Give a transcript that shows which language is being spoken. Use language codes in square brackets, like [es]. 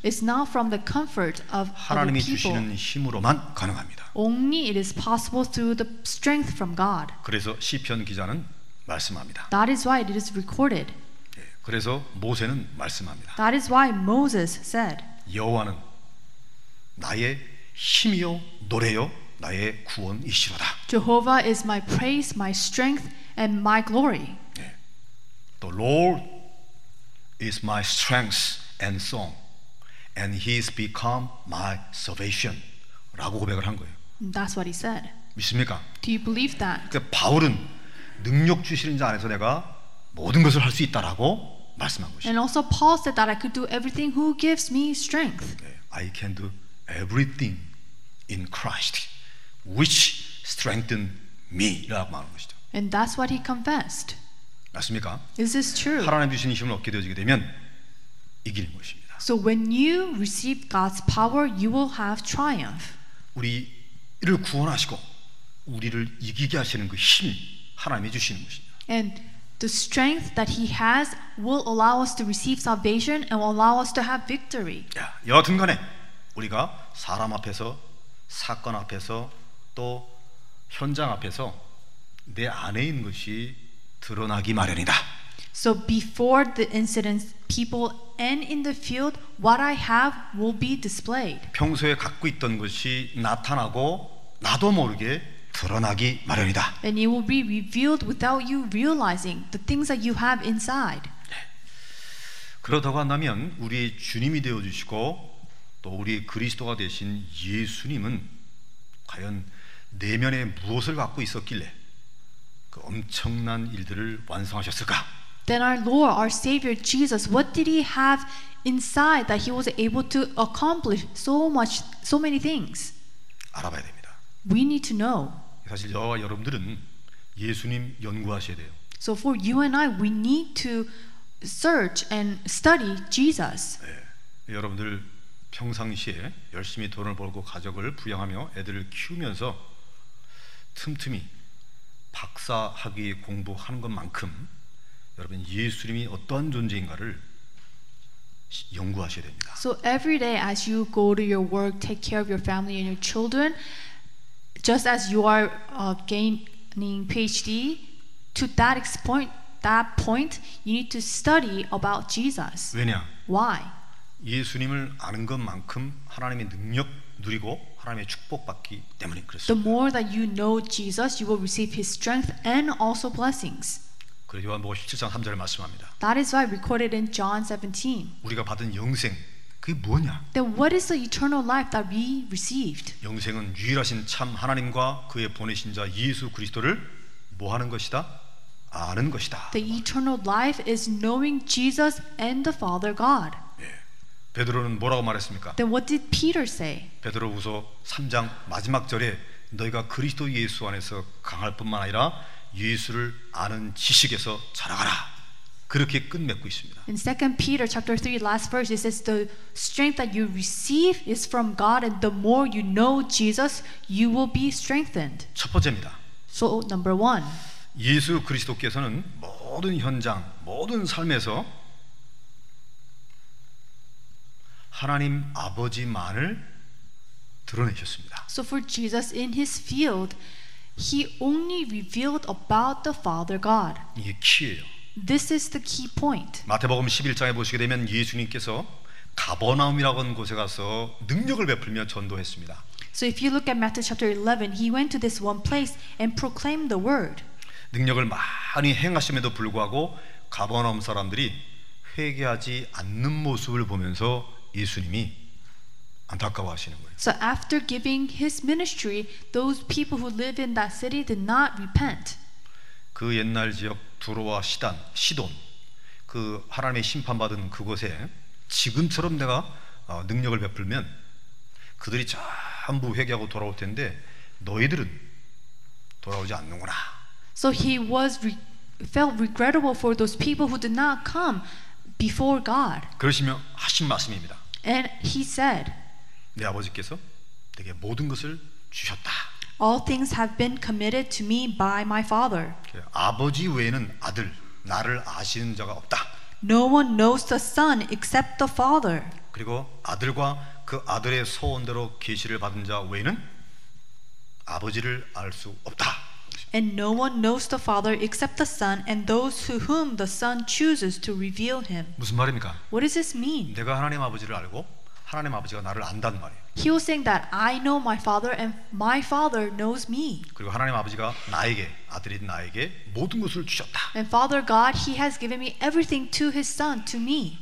[en] It's not from the comfort of other people. [ko] 하나님이 주시는 힘으로만 가능합니다. [en] Only it is possible through the strength from God. [ko] 그래서 시편 기자는 말씀합니다. [en] That is why it is recorded. [ko] 예, 그래서 모세는 말씀합니다. [en] That is why Moses said. [ko] 여호와는 나의 힘이요 노래요 나의 구원이시로다. [en] Jehovah is my praise, my strength, and my glory. The Lord is my strength and song, and He has become my salvation. [ko] 라고 고백을 한 거예요. [en] That's what he said. [ko] 믿습니까? [en] Do you believe that? [ko] 그 바울은 능력 주시는 자 안에서 내가 모든 것을 할 수 있다라고 말씀한 것이죠. [en] And also Paul said that I could do everything who gives me strength. I can do everything in Christ, which strengthen me. [ko] 라고 말한 것이죠. [en] And that's what he confessed. [ko] 맞습니까? [en] Is this true? [ko] 하나님 주신 힘을 얻게 되어지게 되면 이기는 것입니다. [en] So when you receive God's power, you will have triumph. [ko] 우리를 구원하시고 우리를 이기게 하시는 그 힘 하나님이 주시는 것입니다. [en] And The strength that he has will allow us to receive salvation and will allow us to have victory. [ko] 여하튼 간에 우리가 사람 앞에서 사건 앞에서 또 현장 앞에서 내 안에 있는 것이 드러나기 마련이다. [en] So before the incidents, people and in the field, what I have will be displayed. [ko] 평소에 갖고 있던 것이 나타나고 나도 모르게 드러나기 마련이다. [en] And it will be revealed without you realizing the things that you have inside. [ko] 네. 그렇다고 한다면 우리의 주님이 되어주시고 또 우리의 그리스도가 되신 예수님은 과연 내면에 무엇을 갖고 있었길래 그 엄청난 일들을 완성하셨을까? [en] Then our Lord, our Savior Jesus, what did he have inside that he was able to accomplish so many things? [ko] 알아봐야 됩니다. [en] We need to know. [ko] 사실 저와 여러분들은 예수님 연구하셔야 돼요. [en] So for you and I, we need to search and study Jesus. [ko] 네. 여러분들 평상시에 열심히 돈을 벌고 가족을 부양하며 애들을 키우면서 틈틈이 박사 학위 공부하는 것만큼 여러분 예수님이 어떤 존재인가를 연구하셔야 됩니다. [en] So every day as you go to your work, take care of your family and your children, just as you are gaining PhD, to that point, you need to study about Jesus. [ko] 왜냐? [en] Why? [ko] 예수님을 아는 것만큼 하나님의 능력 누리고 하나님의 축복받기 때문에 그렇습니다. [en] The more that you know Jesus, you will receive His strength and also blessings. [ko] 그래서 요한복음 17장 3절을 말씀합니다. [en] That is why recorded in John 17. [ko] 우리가 받은 영생 그게 뭐냐? [en] Then what is the eternal life that we received? [ko] 영생은 유일하신 참 하나님과 그의 보내신 자 예수 그리스도를 뭐 하는 것이다? 아는 것이다. [en] The eternal life is knowing Jesus and the Father God. [ko] 베드로는 뭐라고 말했습니까? [en] Then what did Peter say? [ko] 베드로후서 3장 마지막 절에 너희가 그리스도 예수 안에서 강할 뿐만 아니라 예수를 아는 지식에서 자라가라. 그렇게 끝맺고 있습니다. [en] In 2 Peter chapter 3 last verse it says the strength that you receive is from God and the more you know Jesus you will be strengthened. [ko] 첫 번째입니다. [en] So number 1. [ko] 예수 그리스도께서는 모든 현장, 모든 삶에서 하나님 아버지만을 드러내셨습니다. [en] So for Jesus in his field, he only revealed about the Father God. [ko] 이게 키예요. [en] This is the key point. [ko] 마태복음 11장에 보시게 되면 예수님께서 가버나움이라고 하는 곳에 가서 능력을 베풀며 전도했습니다. [en] So if you look at Matthew chapter 11, he went to this one place and proclaimed the word. [ko] 능력을 많이 행하심에도 불구하고 가버나움 사람들이 회개하지 않는 모습을 보면서 예수님이 안타까워하시는 거예요. [en] So after giving his ministry, those people who live in that city did not repent. [ko] 그 옛날 지역 두로와 시돈, 그 하나님의 심판받은 그곳에 지금처럼 내가 능력을 베풀면 그들이 전부 회개하고 돌아올 텐데 너희들은 돌아오지 않는구나. [en] So he was felt regrettable for those people who did not come before God. [ko] 그러시며 하신 말씀입니다. [en] And he said, [ko] 내 아버지께서 내게 모든 것을 주셨다. [en] All things have been committed to me by my father. [ko] 아버지 외에는 아들 나를 아시는 자가 없다. [en] No one knows the son except the father. [ko] 그리고 아들과 그 아들의 소원대로 계시를 받은 자 외에는 아버지를 알 수 없다. [en] And no one knows the father except the son and those to whom the son chooses to reveal him. [ko] 무슨 말입니까? [en] What does this mean? [ko] 내가 하나님 아버지를 알고 하나님 아버지가 나를 안다는 말이에요. [en] He was saying that I know my father and my father knows me. [ko] 그리고 하나님 아버지가 나에게 아들인 나에게 모든 것을 주셨다. [en] And Father God, he has given me everything to his son to me.